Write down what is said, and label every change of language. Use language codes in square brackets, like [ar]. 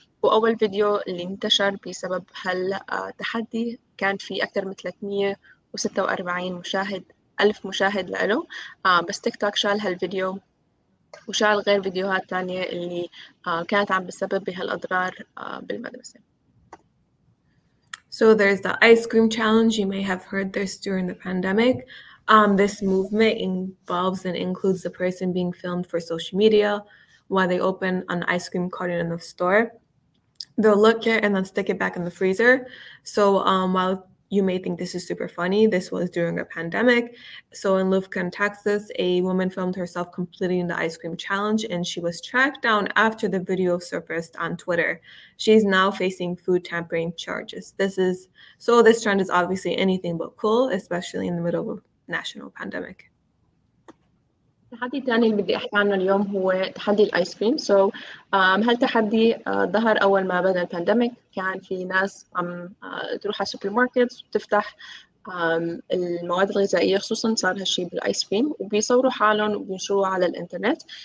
[ar] وأول فيديو اللي انتشر بسبب هالتحدي كان في أكثر من 346 مشاهد، 1000 مشاهد له. بس تيك توك شال هالفيديو وشال غير فيديوهات تانية اللي كانت عم بسبب بهالأضرار بالمدرسة. [en] So there's the ice cream challenge. You may have heard this during the pandemic. This movement involves and includes the person being filmed for social media while they open an ice cream carton in the store. They'll look it and then stick it back in the freezer. So while you may think this is super funny, this was during a pandemic. So in Lufkin, Texas, a woman filmed herself completing the ice cream challenge, and she was tracked down after the video surfaced on Twitter. She's now facing food tampering charges. This trend is obviously anything but cool, especially in the middle of a national pandemic. [ar] التحدي الثاني اللي بدي احكي عنه اليوم هو تحدي الايس كريم. سو هل تحدي ظهر اول ما بدا البانديميك؟ كان في ناس عم تروح على السوبر ماركت وتفتح المواد الغذائيه، خصوصا صار هالشيء بالايس كريم، وبيصوروا حالهم وبينشروا على الانترنت.